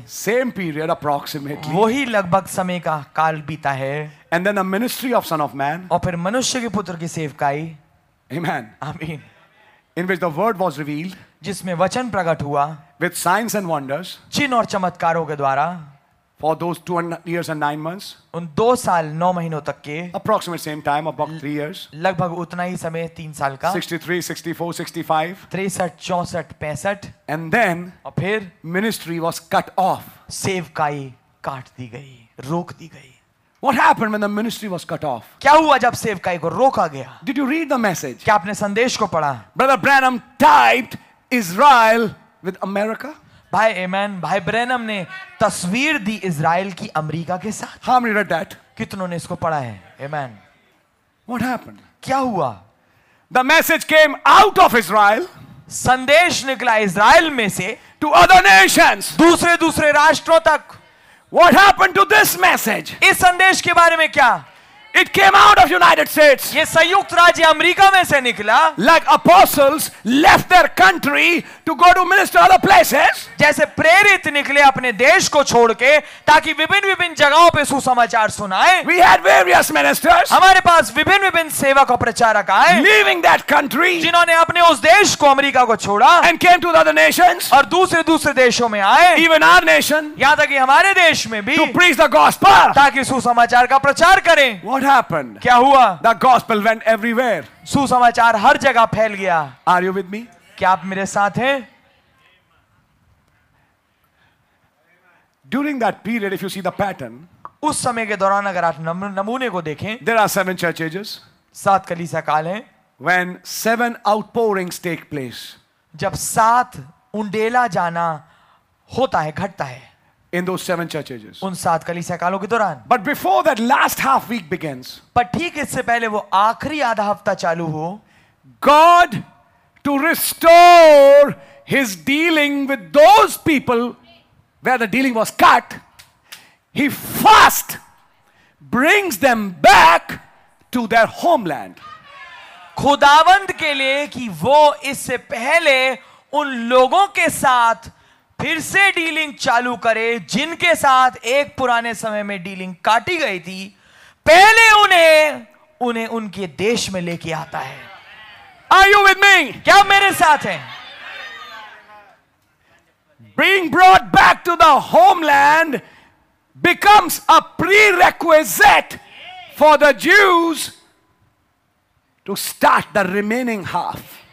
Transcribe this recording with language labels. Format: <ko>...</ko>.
<en>same period approximately,</en> <hi>वही लगभग समय का काल बीता है।</hi> <en>and then the ministry of son of man,</en> <hi>और फिर मनुष्य के पुत्र की सेवकाई, आमेन, आमीन,</hi> <en>in which the word was revealed,</en> <hi>जिसमें वचन प्रकट हुआ,</hi> <en>with science and wonders,</en> <hi>चिन्ह और चमत्कारों के द्वारा,</hi> <en>for those 2 years and 9 months,</en> <hi>उन 2 साल 9 महीनों तक के,</hi> <en>approximate same time, about 3 years,</en> <hi>लगभग उतना ही समय, 3 साल का,</hi> <en>63, 64, 65, 63, 64, 65, and then,</en> <hi>और फिर</hi> <en>ministry was cut off,</en> <hi>सेवकाई काट दी गई, रोक दी गई।</hi> <en>What happened when the ministry was cut off?</en> <hi>क्या हुआ जब सेवकाई को रोका गया?</hi> <en>Did you read the message?</en> <hi>क्या आपने संदेश को पढ़ा?</hi> <en>Brother Branham typed Israel with America.</en> <hi>भाई Amen. भाई Branham ने तस्वीर दी इज़राइल की अमेरिका के साथ.</hi> <en>How many read that?</en> <hi>कितनों ने इसको पढ़ा है? Amen.</hi> <en>What happened?</en> <hi>क्या हुआ?</hi> <en>The message came out of Israel.</en> <hi>संदेश निकला इज़राइल में से.</hi> <en>To other nations.</en> <hi>दूसरे राष्ट्रों तक.</hi> <en>What happened to this message?</en> <hi>इस संदेश के बारे में क्या?</hi> <en>It came out of United States.</en> <hi>ये संयुक्त राज्य अमेरिका में से निकला.</hi> <en>Like apostles left their country to go to minister other places.</en> <hi>जैसे प्रेरित निकले अपने देश को छोड़ के ताकि विभिन्न विभिन्न जगहों पे सुसमाचार सुनाए.</hi> <en>We had various ministers.</en> <hi>हमारे पास विभिन्न विभिन्न सेवक और प्रचारक आए.</hi> <en>Leaving that country.</en> <hi>जिन्होंने अपने उस देश को अमेरिका को छोड़ा.</hi> <en>And came to the other nations.</en> <hi>और दूसरे दूसरे देशों में आए.</hi> <en>Even our nation.</en> <hi>यहाँ तक हमारे देश में भी.</hi> <en>To preach the gospel.</en> <hi>ताकि सुसमाचार का प्रचार करें.</hi> <en>What happened?</en> <hi>क्या हुआ?</hi> <en>The gospel went everywhere.</en> <hi>सुसमाचार हर जगह फैल गया.</hi> <en>Are you with me?</en> <hi>क्या आप मेरे साथ हैं?</hi> <en>During that period, if you see the pattern,</en> <hi>उस समय के दौरान अगर आप नमूने को देखें,</hi> <en>there are 7 church ages.</en> <hi>7 कलीसिया काल हैं.</hi> <en>When 7 outpourings take place.</en> <hi>जब 7 उंडेला जाना होता है, घटता है.</hi> <en>In those 7 church ages.</en> <hi>उन 7 कलीसिया कालों के दौरान.</hi> <en>But before that last half week begins.</en> <hi>पर ठीक इससे पहले वो आखरी आधा हफ्ता चालू हो.</hi> <en>God to restore His dealing with those people where the dealing was cut, He first brings them back to their homeland.</en> <hi>खुदावंद के लिए कि वो इससे पहले उन लोगों के साथ फिर से डीलिंग चालू करे जिनके साथ एक पुराने समय में डीलिंग काटी गई थी, पहले उन्हें उनके देश में लेके आता है।</hi> <en>Are you with me?</en> <hi>क्या मेरे साथ हैं?</hi> <en>Being brought back to the homeland becomes a prerequisite for the Jews to start the remaining half.</en>